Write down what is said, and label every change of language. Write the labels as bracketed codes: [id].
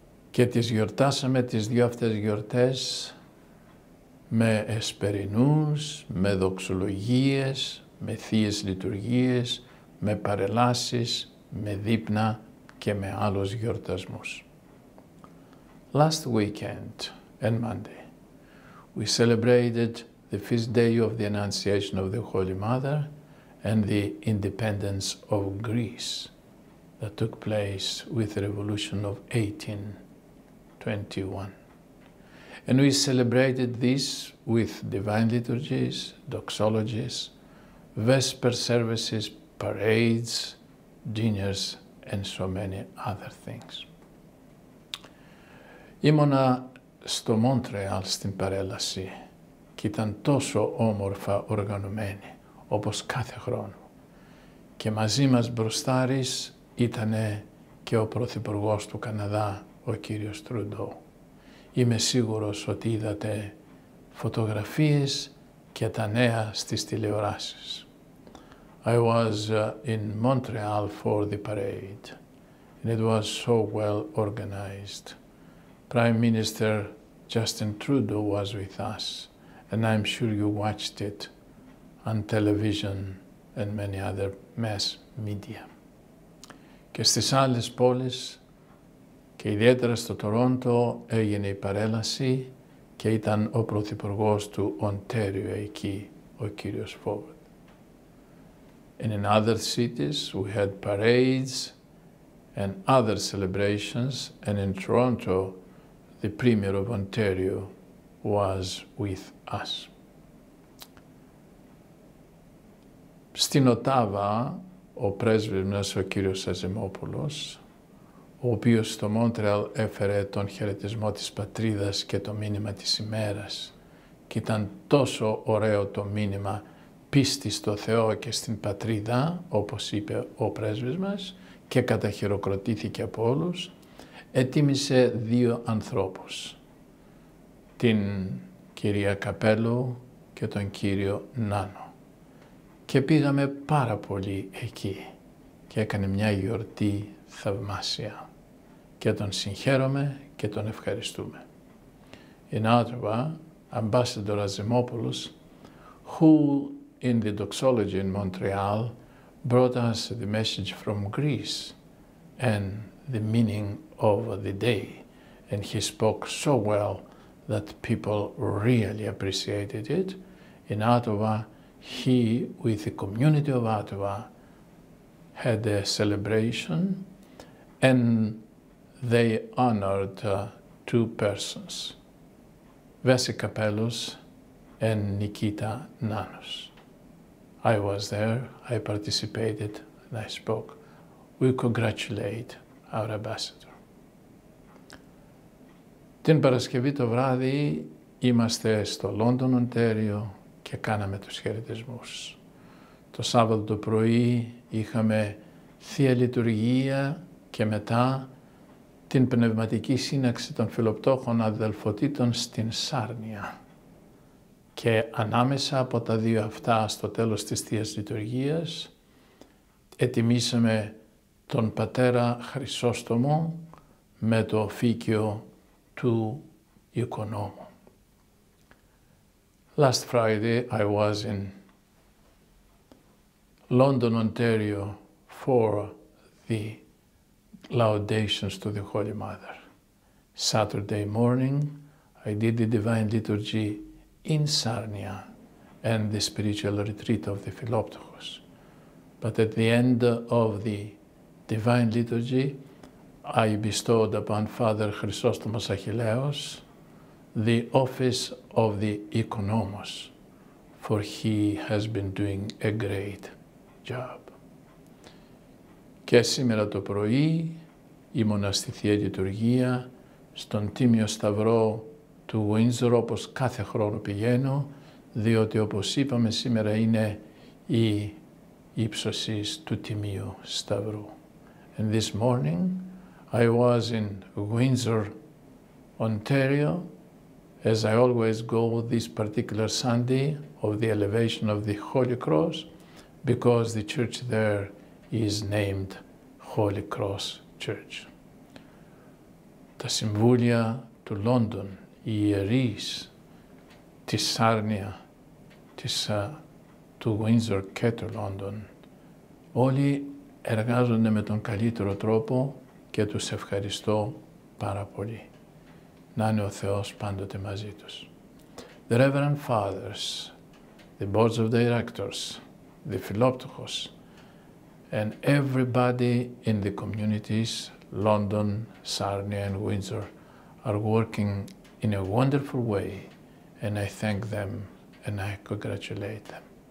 [el] Και τις γιορτάσαμε τις δύο αυτές γιορτές με εσπερινούς, με δοξολογίες, με θείες λειτουργίες, με παρελάσεις, με δείπνα και με άλλους γιορτασμούς. [en] Last weekend, on Monday, we celebrated the feast day of the Annunciation of the Holy Mother and the independence of Greece that took place with the revolution of 1821. And we celebrated this with divine liturgies, doxologies, vesper services, parades, dinners, and so many other things. [el] Ήμουνα στο Μόντρεαλ στην παρέλαση και ήταν τόσο όμορφα οργανωμένη, όπως κάθε χρόνο. Και μαζί μας μπροστάρης ήταν και ο Πρωθυπουργός του Καναδά, ο κύριος Τρουντό. Είμαι σίγουρος ότι είδατε φωτογραφίες και τα νέα στις τηλεοράσεις. [en] I was in Montreal for the parade, and it was so well organized. Prime Minister Justin Trudeau was with us, and I'm sure you watched it on television and many other mass media. [el] Και στις άλλες πόλεις, και ιδιαίτερα στο Τορόντο, έγινε η παρέλαση και ήταν ο Πρωθυπουργός του Οντάριο εκεί, ο κύριος Φόβερ. [en] And in other cities, we had parades and other celebrations, and in Toronto, the Premier of Ontario was with us. [el] Στην Οτάβα, ο πρέσβης μας, ο κύριος Αζημόπουλος, ο οποίος στο Μόντρεαλ έφερε τον χαιρετισμό της πατρίδας και το μήνυμα της ημέρας, και ήταν τόσο ωραίο το μήνυμα πίστη στο Θεό και στην πατρίδα, όπως είπε ο πρέσβης μας, και καταχειροκροτήθηκε από όλους, ετοίμησε δύο ανθρώπους, την κυρία Καπέλο και τον κύριο Νάνο. Και πήγαμε πάρα πολύ εκεί και έκανε μια γιορτή θαυμάσια. Και τον συγχαίρομαι και τον ευχαριστούμε. [en] In Ottawa, Ambassador Azimopoulos, who in the doxology in Montreal brought us the message from Greece and the meaning of the day, and he spoke so well that people really appreciated it. In Ottawa, he, with the community of Ottawa, had a celebration, and they honored two persons, Vesi Kapelos and Nikita Nanos. I was there, I participated, and I spoke. We congratulate our ambassador. [el] Την Παρασκευή το βράδυ είμαστε στο Λόντον, Οντάριο και κάναμε τους χαιρετισμούς. Το Σάββατο το πρωί είχαμε Θεία Λειτουργία και μετά την Πνευματική Σύναξη των Φιλοπτώχων Αδελφοτήτων στην Σάρνια. Και ανάμεσα από τα δύο αυτά, στο τέλος της Θείας Λειτουργίας, ετοιμήσαμε τον Πατέρα Χρυσόστομο με το οφήκιο του οικονόμου. [en] Last Friday I was in London, Ontario for the laudations to the Holy Mother. Saturday morning I did the Divine Liturgy in Sarnia and the spiritual retreat of the Philoptochos. But at the end of the Divine Liturgy, I bestowed upon Father Chrysostomos Achilleos the office of the Economos, for he has been doing a great job. [el] Και σήμερα το πρωί ήμουνα στη Θεία Λειτουργία, στον Τίμιο Σταυρό του Windsor, όπως κάθε χρόνο πηγαίνω, διότι όπως είπαμε σήμερα είναι η ύψωση του Τιμίου Σταυρού. [en] And this morning I was in Windsor, Ontario, as I always go this particular Sunday of the elevation of the Holy Cross, because the church there is named Holy Cross Church. [el] Τα συμβούλια του Λόντον, οι ιερείς της Σάρνια, του Windsor και του Λόντον, όλοι εργάζονται με τον καλύτερο τρόπο και τους ευχαριστώ πάρα πολύ. Να είναι ο Θεός πάντοτε μαζί τους. [en] The Reverend Fathers, the Boards of Directors, the Philoptochos, and everybody in the communities, London, Sarnia and Windsor, are working in a wonderful way, and I thank them and I congratulate them.